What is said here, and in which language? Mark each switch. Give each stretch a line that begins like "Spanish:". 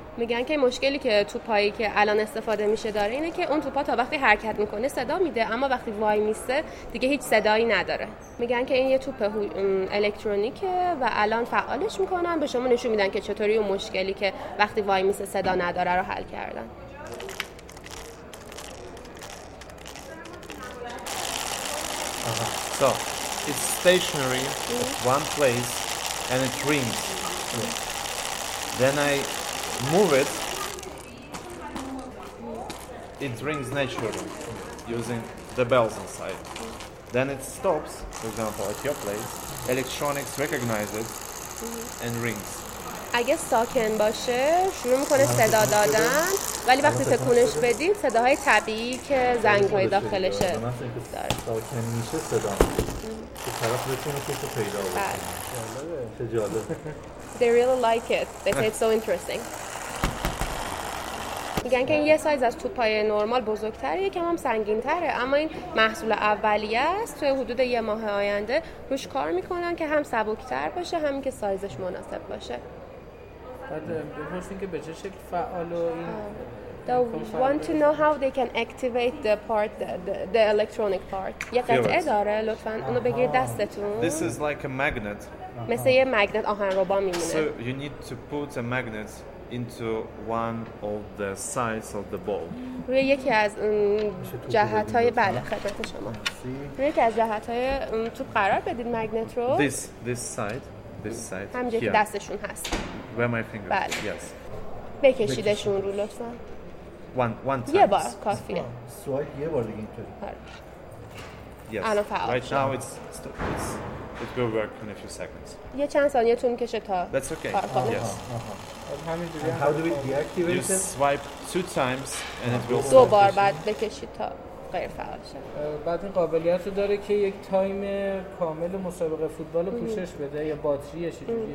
Persian: میگن که مشکلی که توپایی که الان استفاده میشه داره اینه که اون توپا تا وقتی حرکت میکنه صدا میده، اما وقتی وای میسته دیگه هیچ صدایی نداره. میگن که این یه توپ الکترونیکه و الان فعالش میکنن، به شما نشون میدن که چطوری اون مشکلی که وقتی وای میسته صدا نداره رو حل کردن.
English: So it's stationary at one place and it rings. Then I move it. It rings naturally using the bells inside. Then it stops, for example, at your place. Electronics recognize it and rings.
Persian: اگه ساکن باشه شروع میکنه صدا دادن، ولی وقتی تکونش بدید صداهای طبیعی که زنگ‌های داخلشه داره. ساکن میشه صدا که طرف بتونه که پیدا بکنه.
English: They really like it. They say it's so interesting.
Persian: میگن که یه سایز از توپای نرمال بزرگتره، یکم هم سنگین‌تره، اما این محصول اولیه است. توی حدود یه ماه آینده روش کار میکنن که هم سبک‌تر باشه هم که سایزش مناسب باشه. بعد بپرسین که به چه شکل فعال و این
English: They want to know how they can activate the part, the electronic part.
Persian: یه قطعه داره، لطفاً اونو بگیر دستتون.
English: This is like a magnet.
Persian: مثل یه مگنت آهنربا میمونه.
English: So you need to put a magnet into one of the sides of the ball.
Persian: روی یکی از جهت‌های بله خدمت شما. روی یکی از جهت‌های توپ قرار بدید مگنت رو.
English: This side.
Persian: همجا که دستشون هست.
English: Where my finger?
Persian: بله.
English: Yes.
Persian: بکشیدشون رو لطفاً.
English: One time.
Persian: یه بار کافیه. سوال یه بار دیگه اینطوری.
English: Yes.
Persian: الان فعال.
English: Right now it's it will work in a few seconds.
Persian: یه چند ثانیه طول میکشه تا.
English: That's okay. Yes. How do we deactivate it? You swipe two times and it will.
Persian: دو بار بعد بکشید تا غیر فعال شه. بعد این قابلیت رو داره که یک تایم کامل مسابقه فوتبال رو پوشش بده یا باتری چیزی.